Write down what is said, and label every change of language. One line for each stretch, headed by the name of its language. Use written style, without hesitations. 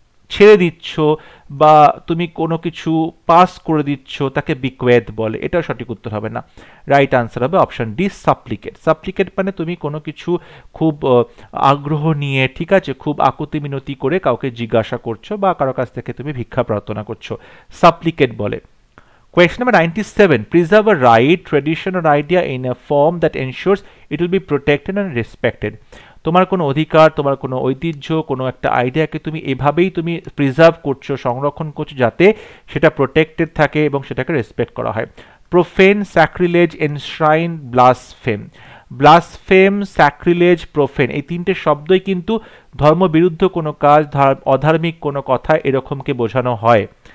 Bangla: ছেড়ে দিচ্ছ বা তুমি কোনো কিছু পাস করে দিচ্ছ তাকে বিকুয়েত বলে এটাও সঠিক উত্তর হবে না রাইট আনসার হবে অপশান ডি সাপ্লিকেট সাপ্লিকেট মানে তুমি কোনো কিছু খুব আগ্রহ নিয়ে ঠিক আছে খুব আকুতি মিনতি করে কাউকে জিজ্ঞাসা করছো বা কারো কাছ থেকে তুমি ভিক্ষা প্রার্থনা করছো সাপ্লিকেট বলে
English: Question number 97. Preserve a right, tradition or idea in a form that ensures it will be protected and respected.
Bangla: তোমার কোনো অধিকার তোমার কোনো ঐতিহ্য কোনো একটা আইডিয়াকে তুমি এভাবেই তুমি প্রিজার্ভ করছো সংরক্ষণ করছো যাতে সেটা প্রোটেক্টেড থাকে এবং সেটাকে রেসপেক্ট করা হয় প্রোফেন স্যাক্রিলেজ এনশ্রাইন ব্লাসফেম ব্লাসফেম স্যাক্রিলেজ প্রোফেন এই তিনটে শব্দই কিন্তু ধর্মবিরুদ্ধ কোনো কাজ অধার্মিক কোনো কথা এরকমকে বোঝানো হয়